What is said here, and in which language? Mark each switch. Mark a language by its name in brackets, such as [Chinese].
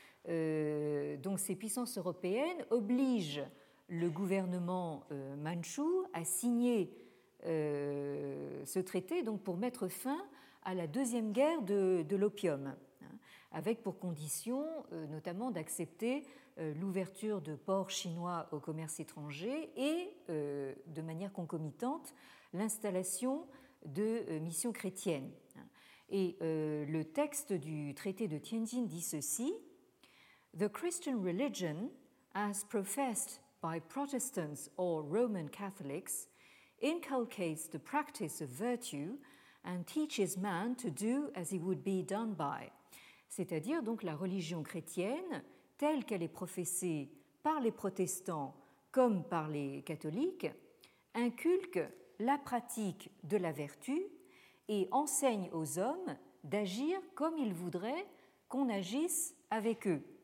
[French] Donc ces puissances européennes obligent le gouvernement manchou à signer ce traité donc pour mettre fin à la deuxième guerre de l'opium, avec pour condition notamment d'accepter l'ouverture de ports chinois au commerce étranger et de manière concomitante l'installation de missions chrétiennes. Et le texte du traité de Tianjin dit ceci: [English] The Christian religion, as professed by Protestants or Roman Catholics, inculcates the practice of virtue and teaches man to do as he would be done by. [French] C'est-à-dire donc la religion chrétienne, telle qu'elle est professée par les protestants comme par les catholiques, inculque la pratique de la vertu et enseigne aux hommes d'agir comme ils voudraient qu'on agisse avec eux.